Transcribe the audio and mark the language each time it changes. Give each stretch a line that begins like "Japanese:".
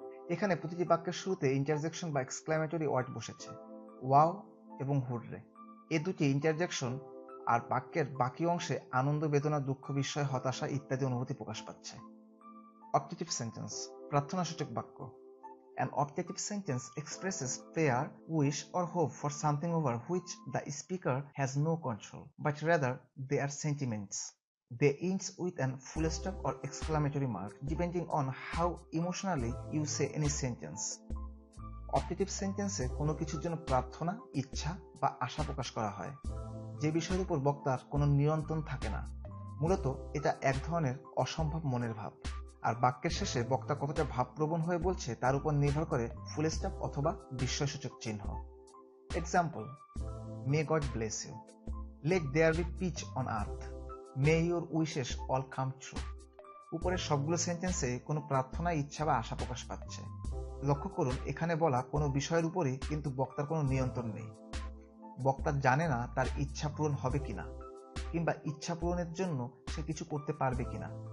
Bangla: এখানে প্রতিটি বাক্যের শুরুতে ইন্টারজেকশন বা এক্সক্লামেটরি ওয়ার্ড বসেছে, ওয়াও এবং হুররে। এ দুটি ইন্টারজেকশন আর বাক্যের বাকি অংশে আনন্দ, বেদনা, দুঃখ, বিস্ময়, হতাশা ইত্যাদি অনুভূতি প্রকাশ পাচ্ছে। অপটেটিভ সেন্টেন্স, প্রার্থনাসূচক বাক্য।
English: An optative sentence expresses prayer, wish or hope for something over which the speaker has no control, but rather they are sentiments. They ends with a full stop or exclamatory mark, depending on how emotionally you say any sentence.
Bangla: Optative sentence এ কোনো কিছুর জন্য প্রার্থনা, ইচ্ছা বা আশা প্রকাশ করা হয়, যে বিষয়ের উপর বক্তার কোনো নিয়ন্ত্রণ থাকে না। মূলত এটা এক ধরনের অসম্ভব মনের ভাব, আর বাক্যের শেষে বক্তা কতটা ভাবপ্রবণ হয়ে বলছে তার উপর নির্ভর করে ফুল স্টপ অথবা বিস্ময়সূচক চিহ্ন। Example,
English: May god bless you, Let there be peace on earth. May your wishes all come true.
Bangla: উপরে সবগুলো সেন্টেন্সে কোনো প্রার্থনা ইচ্ছা বা আশা প্রকাশ পাচ্ছে। লক্ষ্য করুন, এখানে বলা কোনো বিষয়ের উপরে কিন্তু বক্তার কোনো নিয়ন্ত্রণ নেই। বক্তা জানে না তার ইচ্ছা পূরণ হবে কিনা, কিংবা ইচ্ছা পূরণের জন্য সে কিছু করতে পারবে কিনা।